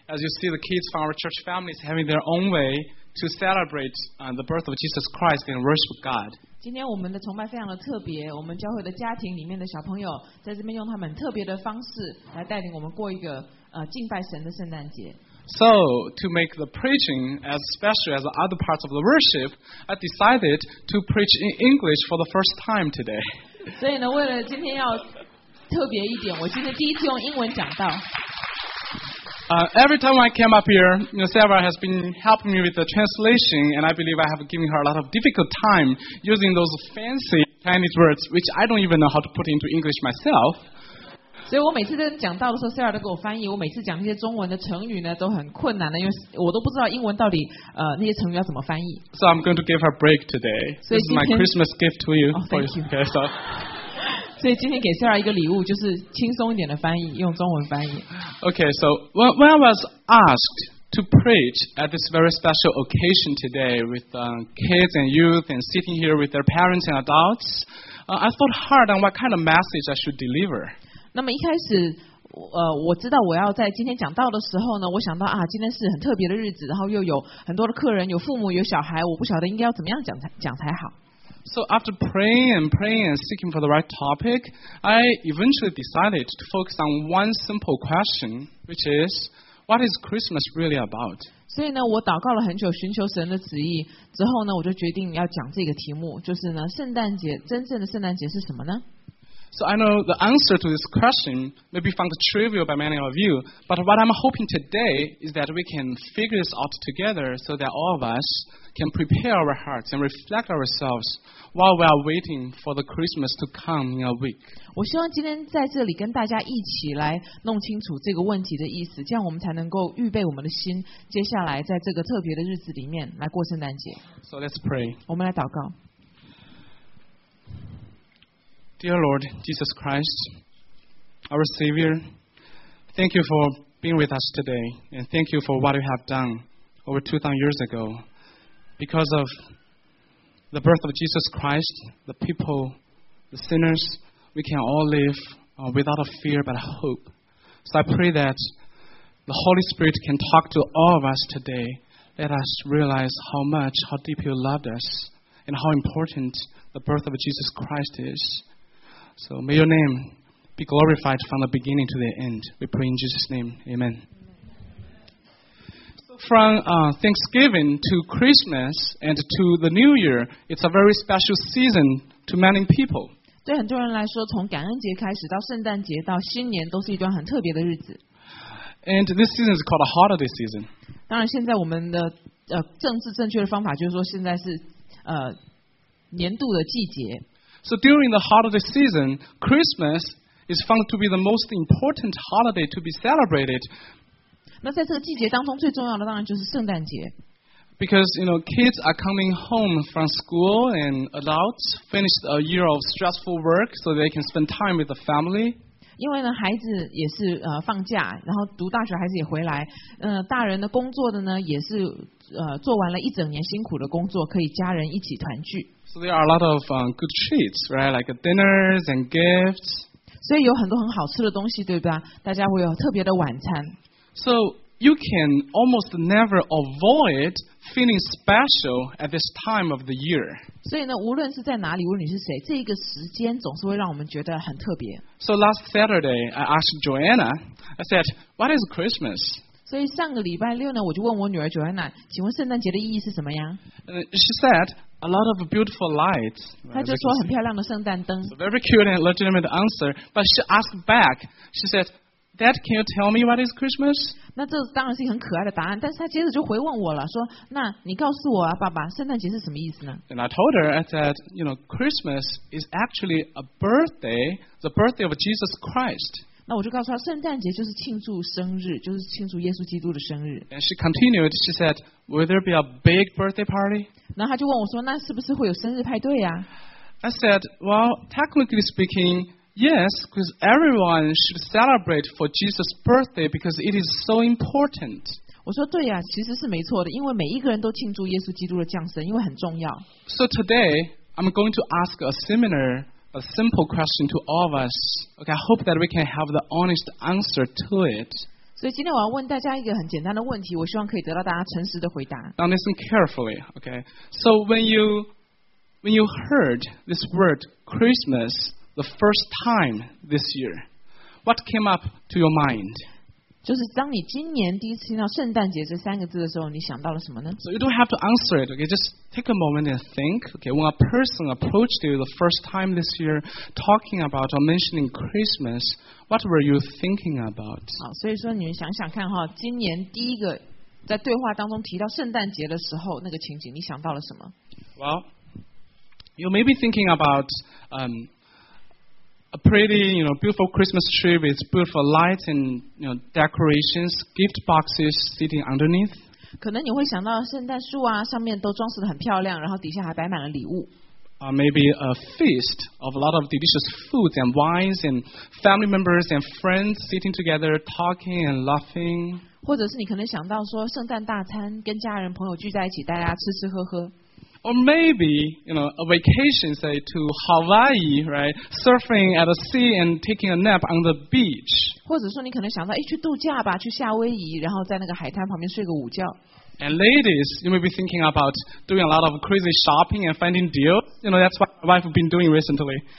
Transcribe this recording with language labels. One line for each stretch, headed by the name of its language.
English: As you see, the kids from our church family is having their own way to celebrate the birth of Jesus Christ and worship God.
Chinese: 今天我们的崇拜非常的特别，我们教会的家庭里面的小朋友在这边用他们特别的方式来带领我们过一个敬拜神的圣诞节。
English: So, to make the preaching as special as the other parts of the worship, I decided to preach in English for the first time today.
Chinese: 所以呢，为了今天要特别一点，我今天第一次用英文讲道。
English: Every time I came up here, you know, Sarah has been helping me with the translation, and I believe I have given her a lot of difficult time using those fancy Chinese words, which I don't even know how to put into English myself.
Chinese: 所以我每次在讲到的时候 ，Sarah 都给我翻译。我每次讲那些中文的成语呢，都很困难的，因为我都不知道英文到底那些成语要怎么翻译。
English: So I'm going to give her a break today. This is my Christmas gift to you. Thank you. Okay,
Chinese: 所以今天给 Sarah 一个礼物，就是轻松一点的翻译，用中文翻译。
English: Okay, so when I was asked to preach at this very special occasion today with kids and youth and sitting here with their parents and adults, I thought hard on what kind of message I should deliver.
Chinese: 那么一开始，我知道我要在今天讲道的时候呢，我想到啊，今天是很特别的日子，然后又有很多的客人，有父母，有小孩，我不晓得应该要怎么样讲才好。
English: So after praying and seeking for the right topic, I eventually decided to focus on one simple question, which is, what is Christmas really about?
Chinese: 所以呢，我祷告了很久，寻求神的旨意之后呢，我就决定要讲这个题目，就是呢，圣诞节，真正的圣诞节是什么呢？
English: So I know the answer to this question may be found trivial by many of you, but what I'm hoping today is that we can figure this out together so that all of us can prepare our hearts and reflect ourselves while we are waiting for the Christmas to come in a week.
Chinese: 我希望今天在这里跟大家一起来弄清楚这个问题的意思，这样我们才能够预备我们的心，接下来在这个特别的日子里面来过圣诞节。
English: So let's pray.
Chinese: 我们来祷告。
English: Dear Lord Jesus Christ, our Savior, thank you for being with us today, and thank you for what you have done over 2,000 years ago. Because of the birth of Jesus Christ, the people, the sinners, we can all live without a fear but a hope. So I pray that the Holy Spirit can talk to all of us today. Let us realize how much, how deep you loved us, and how important the birth of Jesus Christ is. So may your name be glorified from the beginning to the end. We pray in Jesus' name. Amen. So from Thanksgiving to Christmas and to the New Year, it's a very special season to many people.
Chinese: 对很多人来说，从感恩节开始到圣诞节到新年，都是一段很特别的日子。
English: And this season is called a holiday season.
Chinese: 当然，现在我们的政治正确的方法就是说，现在是年度的季节。
English: So during the holiday season, Christmas is found to be the most important holiday to be celebrated.
Chinese: 那在这个季节当中最重要的当然就是圣诞节。
English: Because, you know, kids are coming home from school and adults finished a year of stressful work so they can spend time with the family.
Chinese: 因为呢孩子也是放假，然后读大学孩子也回来，大人的工作的呢也是做完了一整年辛苦的工作，可以家人一起团聚。
English: So there are a lot of good treats, right? Like dinners and gifts.
Chinese: 所以有很多很好吃的东西，对吧？大家会有特别的晚餐。
English: So you can almost never avoid feeling special at this time of the year.
Chinese: 所以呢，无论是在哪里，无论你是谁，这一个时间总是会让我们觉得很特别。
English: So last Saturday, I asked Joanna. I said, "What is Christmas?"
Chinese: 所以上个礼拜六呢，我就问我女儿 Joanna， 请问圣诞节的意义是什么呀？
English: She said. A lot of beautiful lights.
Chinese: 她就说很漂亮的圣诞灯。
English: It's a very cute and legitimate answer, but she asked back. She said, "Dad, can you tell me what is Christmas?"
Chinese: 那这当然是一个很可爱的答案，但是她接着就回问我了，说：“那你告诉我啊，爸爸，圣诞节是什么意思呢？”
English: And I told her, I said, "You know, Christmas is actually a birthday, the birthday of Jesus Christ."
Chinese: 那我就告诉她，圣诞节就是庆祝生日，就是庆祝耶稣基督的生日。
English: And she continued. She said, "Will there be a big birthday party?"
Chinese: 然后他就问我说，那是不是会有生日派对呀？
English: I said, well, technically speaking, yes, because everyone should celebrate for Jesus' birthday because it is so important.
Chinese: 我说对呀、啊，其实是没错的，因为每一个人都庆祝耶稣基督的降生，因为很重要。
English: So today I'm going to ask a similar, a simple question to all of us. Okay, I hope that we can have the honest answer to it.
Chinese: 所以今天我要问大家一个很简单的问题，我希望可以得到大家诚实的回答。
English: Now listen carefully, okay? So when you heard this word Christmas the first time this year, what came up to your mind?
Chinese: 就是当你今年第一次听到圣诞节这三个字的时候，你想到了什么呢？
English: So you don't have to answer it. Okay, just take a moment and think. Okay, when a person approached you the first time this year, talking about or mentioning Christmas, what were you thinking about?
Chinese: 好，所以说你们想想看哈，今年第一个在对话当中提到圣诞节的时候，那个情景，你想到了什么？
English: Well, you may be thinking about a pretty, you know, beautiful Christmas tree with beautiful lights and, you know, decorations, gift boxes sitting underneath.
Chinese: 可能你会想到圣诞树啊，上面都装饰得很漂亮，然后底下还摆满了礼物。
English: Maybe a feast of a lot of delicious foods and wines and family members and friends sitting together talking and laughing.
Chinese: 或者是你可能想到说圣诞大餐，跟家人朋友聚在一起，大家吃吃喝喝。
English: Or maybe, you know, a vacation, say, to Hawaii, right? Surfing at the sea and taking a nap on the beach.
Chinese: 或者说你可能想到，诶，去度假吧，去夏威夷，然后在那个海滩旁边睡个午觉。
English: And ladies, you may be thinking about doing a lot of crazy shopping and finding deals. You know, that's what my wife has been doing recently.